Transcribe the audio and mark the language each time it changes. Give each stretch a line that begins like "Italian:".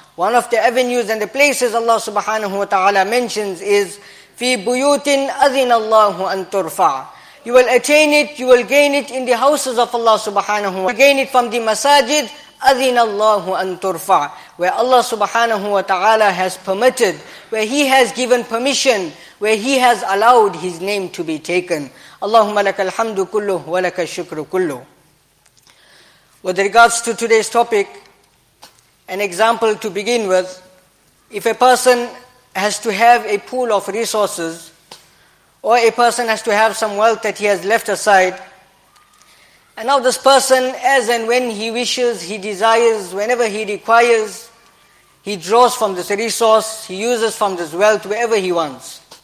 English: One of the avenues and the places Allah subhanahu wa ta'ala mentions is,
Arabic: fi buyutin adhina Allahu an turfa.
English: You will attain it, you will gain it in the houses of Allah subhanahu wa ta'ala. You will gain it from the masajid,
Arabic: أَذِنَ اللَّهُ أَن تُرْفَعَ,
English: where Allah subhanahu wa ta'ala has permitted, where He has given permission, where He has allowed His name to be taken.
Arabic: اللهم لك الحمد كله ولك الشكر كله.
English: With regards to today's topic, an example to begin with, if a person has to have a pool of resources, or a person has to have some wealth that he has left aside, and now this person, as and when he wishes, he desires, whenever he requires, he draws from this resource, he uses from this wealth wherever he wants.